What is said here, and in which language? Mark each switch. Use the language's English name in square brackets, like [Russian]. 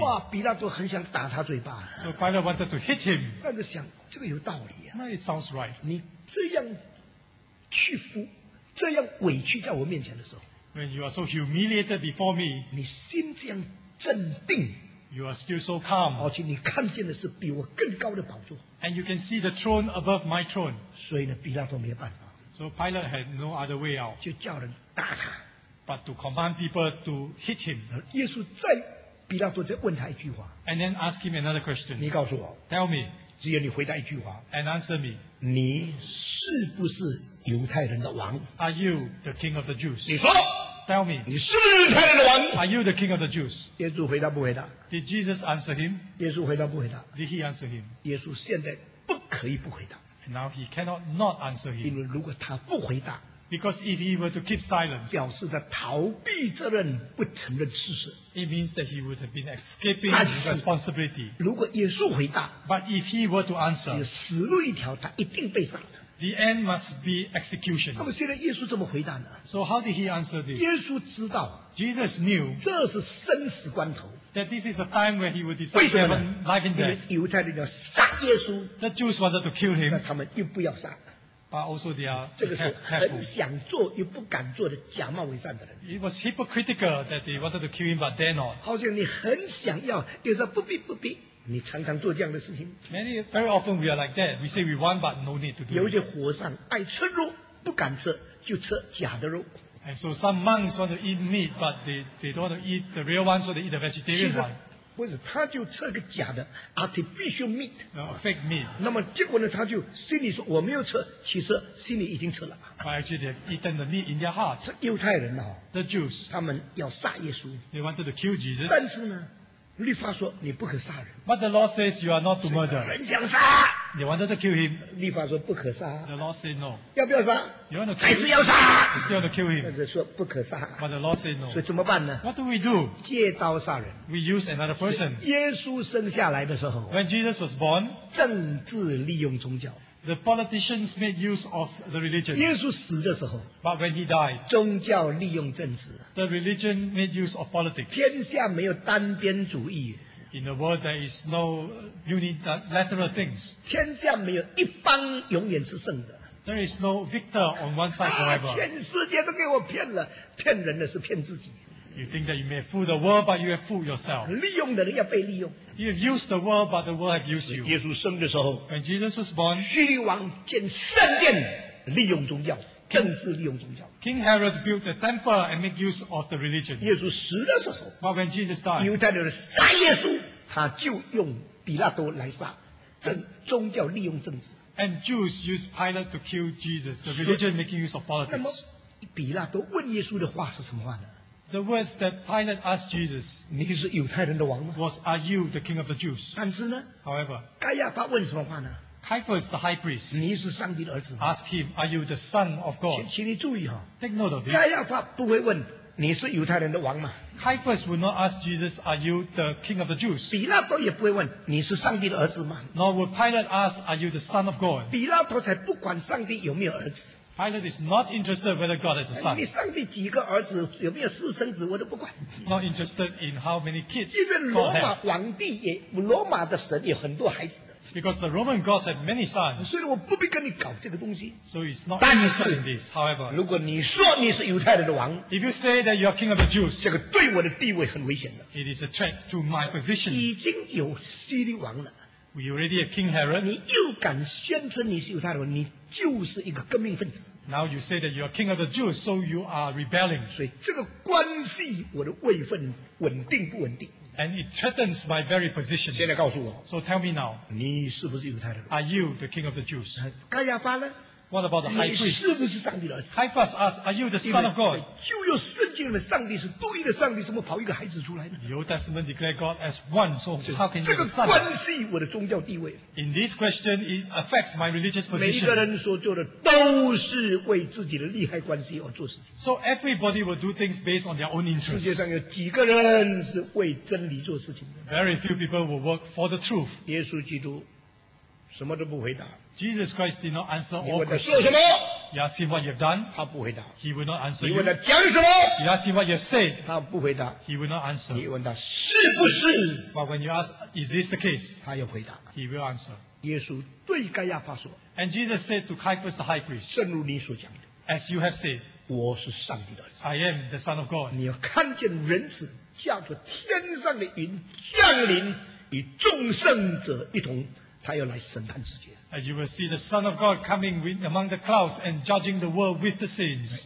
[Chinese] 哇，比拉多很想打他嘴巴。 [English] So Pilate wanted to hit him. [Chinese] 但是想，这个有道理啊。 [English] 那 it sounds right. [Chinese] 你这样屈服，这样委屈在我面前的时候。 [English] When you are so humiliated before me. [Chinese] 你心这样镇定。 [English] You are still so calm. [Chinese] 而且你看见的是比我更高的宝座。 [English] And you can see the throne above my throne. [Chinese] 所以呢，比拉多没有办法。 [English] So Pilate had no other way out. [Chinese] 就叫人打他。 [English] But to command people to hit him. [Chinese] 耶稣再比拉多再问他一句话。 [English] And then ask him another question. [Chinese] 你告诉我。 [English] Tell me. [Chinese] 只有你回答一句话。 [English] And answer me. [Chinese] 你是不是犹太人的王 [English] ？Are you the king of the Jews? [Chinese] 你说。 [English] Tell me. [Chinese] 你是不是犹太人的王 [English] ？Are you the king of the Jews? [Chinese] 耶稣回答不回答 [English] ？Did Jesus answer him? [Chinese] 耶稣回答不回答 [English] ？Did he answer him? [Chinese] 耶稣现在不可以不回答。 [English] Now he cannot not answer him. [Chinese] 因为如果他不回答 [English] ，because if he were to keep silent, [Chinese] 表示他逃避责任，不承认事实。 [English] It means that he would have been escaping responsibility. [Chinese] 如果耶稣回答 [English] ，but if he were to answer, [Chinese] 只有死路一条，他一定被杀的。 [English] The end must be execution. [Chinese] 那么现在耶稣怎么回答呢 [English] ？So how did he answer this? [Chinese] 耶稣知道 [English] ，Jesus knew [Chinese] 这是生死关头。 [English] That this is a time where he would decide to have life and death. [Chinese] 犹太人要杀耶稣。 [English] The Jews wanted to kill him. [Chinese] 那他们又不要杀。 [English] But also they are [Chinese] 这个是很想做又不敢做的假冒伪善的人。 [English] It was hypocritical that they wanted to kill him, but dare not. [Chinese] 好像你很想要，又说不必不必。你常常做这样的事情。 [English] Many very often we are like that. We say we want, but no need to do. [Chinese] 有些和尚爱吃肉，不敢吃，就吃假的肉。 [English] And so some monks want to eat meat, but they don't want to eat the real one, so they eat the vegetarian one. [Chinese] 实不是，他就吃个假的 [English] artificial meat, fake meat. [Chinese] 那么结果呢，他就心里说我没有吃，其实心里已经吃了。 [English] But actually, they have eaten the meat in their hearts. [Chinese] 犹太人哦 [English] ，the Jews, [Chinese] 他们要杀耶稣。 [English] They wanted to kill Jesus. [Chinese] 但是呢，律法说你不可杀人。 [English] But the law says you are not to murder. [Chinese] 人想杀。 [English] They wanted to kill him. [Chinese] 立法说不可杀。 [English] The law said no. [Chinese] 要不要杀？ [English] You want to kill him? [Chinese] 还是要杀？ [English] You still want to kill him. [Chinese] 但是说不可杀。 [English] But the law said no. [Chinese] 所以怎么办呢？ [English] What do we do? [Chinese] 借刀杀人。 [English] We use another person. [Chinese] 耶稣生下来的时候。 [English] When Jesus was born. [Chinese] 政治利用宗教。 [English] The politicians made use of the religion. [Chinese] 耶稣死的时候。 [English] But when he died. [Chinese] 宗教利用政治。 [English] The religion made use of politics. [Chinese] 天下没有单边主义。 [English] In the world, there is no unilateral things. [Chinese] 天下没有一方永远是胜的。 [English] There is no victor on one side forever. [Chinese] 全世界都给我骗了，骗人的是骗自己。 [English] You think that you may fool the world, but you have fooled yourself. [Chinese] 利用的人要被利用。 [English] You have used the world, but the world has used you. [Chinese] 耶稣生的时候 [English] ，When Jesus was born, [Chinese] 叙利王建圣殿，利用宗教。政治利用宗教。 [English] King Herod built the temple and made use of the religion. [Chinese] 耶稣死的时候 [English] ，But when Jesus died, [Chinese] 犹太人杀耶稣，他就用比拉多来杀，宗教利用政治。 [English] And Jews used Pilate to kill Jesus, the religion making use of politics. [Chinese] 那么，比拉多问耶稣的话是什么话呢 [English] ？The words that Pilate asked Jesus, [Chinese] 你是犹太人的王吗 [English] ？Was are you the king of the Jews? [Chinese] 但是呢 [English] ，However, [Chinese] 该亚法问什么话呢 [English] Caiaphas the high priest, [Chinese] 你是上帝的儿子吗？ [English] Ask him, are you the son of God? [Chinese] 请你注意哈， [English] take note of this. [Chinese] 该要发不会问你是犹太人的王吗？ [English] Caiaphas would not ask Jesus, are you the king of the Jews? [Chinese] 比拉多也不会问你是上帝的儿子吗？ [English] Nor would Pilate ask, are you the son of God? [Chinese] 比拉多才不管上帝有没有儿子。 [English] Pilate is not interested whether God has a son. [Chinese] 你上帝几个儿子，有没有私生子，我都不管。 [English] Not interested in how many kids. [Chinese] 因为罗马皇帝也，罗马的神有很多孩子的。 [English] Because the Roman gods had many sons. [Chinese] 所以我不必跟你搞这个东西。 [English] So he's not interested in this. However, [Chinese] 如果你说你是犹太人的王， [English] if you say that you are king of the Jews, [Chinese] 这个对我的地位很危险的。 [English] It is a threat to my position. [Chinese] 已经有希律王了。 [English] We already have King Herod. [Chinese] 你又敢宣称你是犹太人，你就是一个革命分子。 [English] Now you say that you are king of the Jews, so you are rebelling. [Chinese] 所以这个关系我的位分稳定不稳定。 [English] And it threatens my very position. [Chinese] 现在告诉我。 [English] So tell me now. [Chinese] 你是不是犹太人？ [English] Are you the king of the Jews? [Chinese] 该亚法呢？ [English] What about the high priest? [Chinese] 你是不是上帝的儿子？ [English] Caiaphas asked, are you the son of God? [Chinese] 就有圣经里面上帝是独一的上帝，怎么跑一个孩子出来呢？ [English] The Old Testament declared God as one, so how can you [Chinese] 这个关系我的宗教地位。 [English] In this question, it affects my religious position. [Chinese] 每一个人所做的都是为自己的利害关系而做事情。 [English] So everybody will do things based on their own interests. [Chinese] 世界上有几个人是为真理做事情的？ [English] Very few people will work for the truth. [Chinese] 耶稣基督什么都不回答。 [English] Jesus Christ did not answer all questions. [Chinese] 你问他说什么？ [English] You ask him what you have done. [Chinese] 他不回答。 [English] He will not answer you. [Chinese] 你问他讲什么？ [English] You ask him what you have said. [Chinese] 他不回答。 [English] He will not answer. [Chinese] 你问他是不是？ [English] But when you ask, is this the case? [Chinese] 他又回答。 [English] He will answer. [Chinese] 耶稣对该亚法说。 [English] And Jesus said to Caiaphas the high priest. [Chinese] 正如你所讲的。 [English] As you have said. [Chinese] 我是上帝的儿子。 [English] I am the son of God. [Chinese] 你要看见人子驾着天上的云降临，与众圣者一同。他要来审判世界。 [English] And you will see the Son of God coming among the clouds and judging the world with the saints.